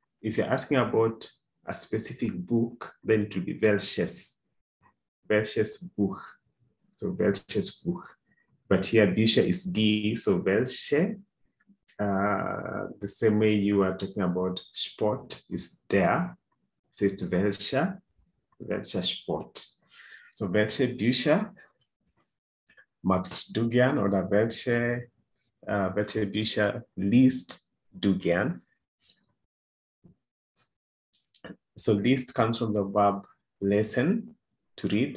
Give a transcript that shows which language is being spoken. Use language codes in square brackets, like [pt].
[en] If you're asking about a specific book, then it will be [de] welches. Welches Buch. [en] So [de] welches Buch. [en] But here Bücher is D, so [de] welche. [en] The same way you are talking about Sport is der. So it's [de] welcher, welcher Sport. So welche Bücher, Max du gern, oder welche, welche Bücher liest du gern? [en] So liest comes from the verb lesen, to read.